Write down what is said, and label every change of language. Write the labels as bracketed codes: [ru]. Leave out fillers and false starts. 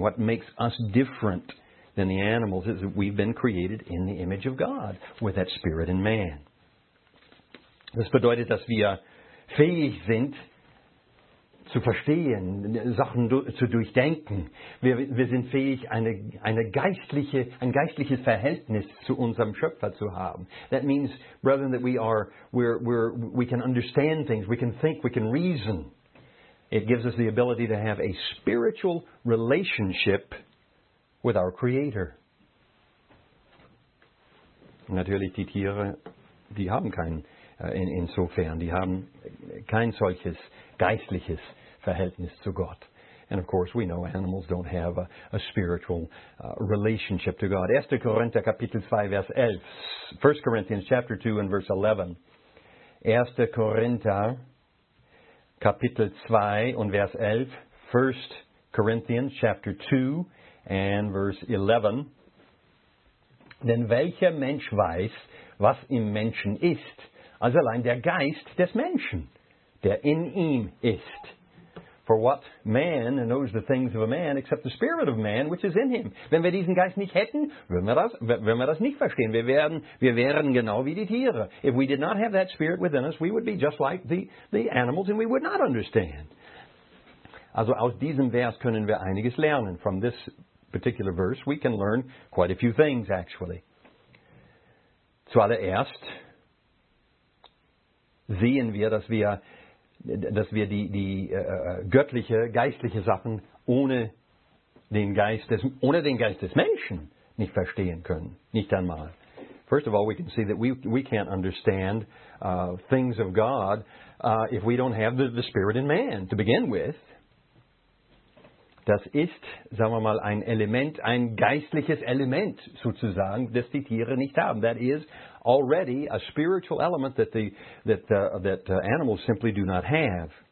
[en] What makes us different than the animals is that we've been created in the image of God with that spirit in man. [de] Das bedeutet, dass wir fähig sind zu verstehen, Sachen zu durchdenken. Wir sind fähig, ein geistliches Verhältnis zu unserem Schöpfer zu haben. [en] That means, brethren, that we can understand things, we can think, we can reason. It gives us the ability to have a spiritual relationship with our Creator. [de] Natürlich, die Tiere, die haben insofern, die haben kein solches geistliches Verhältnis zu Gott. [en] And of course, we know animals don't have a spiritual relationship to God. [de] 1. Korinther, Kapitel 2, Vers 11. [en] 1. Corinthians, chapter 2, and verse 11. 1. [de] Korinther, Kapitel 2, und Vers 11. 1. [en] Corinthians, chapter 2, and verse 11. [de] Denn welcher Mensch weiß, was im Menschen ist, als allein der Geist des Menschen, der in ihm ist. [en] For what man knows the things of a man except the spirit of man which is in him. [de] Wenn wir diesen Geist nicht hätten, würden wir das nicht verstehen. Wir wären genau wie die Tiere. [en] If we did not have that spirit within us, we would be just like the animals and we would not understand. [de] Also aus diesem Vers können wir einiges lernen. [en] From this particular verse we can learn quite a few things actually. [de] Zuallererst sehen wir, dass wir die göttliche, geistliche Sachen ohne den Geist des Menschen nicht verstehen können. Nicht einmal. [en] First of all, we can see that we can't understand things of God if we don't have the spirit in man to begin with. [de] Das ist, sagen wir mal, ein geistliches Element sozusagen, das die Tiere nicht haben. [en] That is already a spiritual element that animals simply do not have.